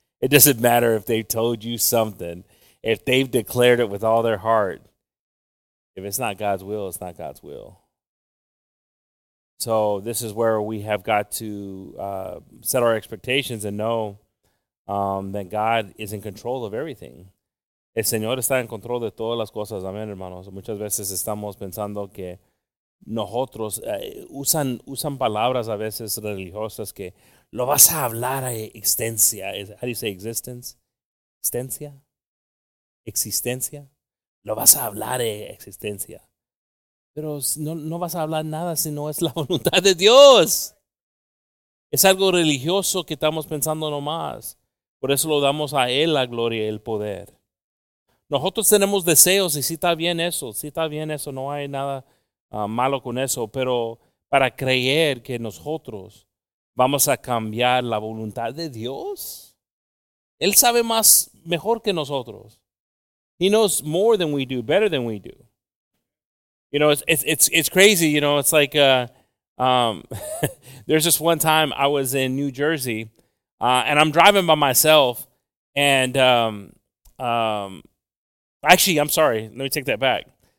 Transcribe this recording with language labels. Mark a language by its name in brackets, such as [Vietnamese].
[English] It doesn't matter if they've told you something, if they've declared it with all their heart. If it's not God's will, it's not God's will. So this is where we have got to set our expectations and know that God is in control of everything. [Spanish] El Señor está en control de todas las cosas. Amén, hermanos. Muchas veces estamos pensando que nosotros usan palabras a veces religiosas que lo vas a hablar a existencia. [English] How do you say existence? Existencia? Existencia? [Spanish] Lo vas a hablar a existencia. Pero no vas a hablar nada si no es la voluntad de Dios. Es algo religioso que estamos pensando nomás. Por eso lo damos a Él la gloria y el poder. Nosotros tenemos deseos y sí está bien eso, no hay nada malo con eso, pero para creer que nosotros vamos a cambiar la voluntad de Dios, Él sabe más mejor que nosotros. [English] He knows more than we do, better than we do. You know, it's crazy. You know, it's like there's this one time I was in New Jersey, and I'm driving by myself, and actually, I'm sorry. Let me take that back.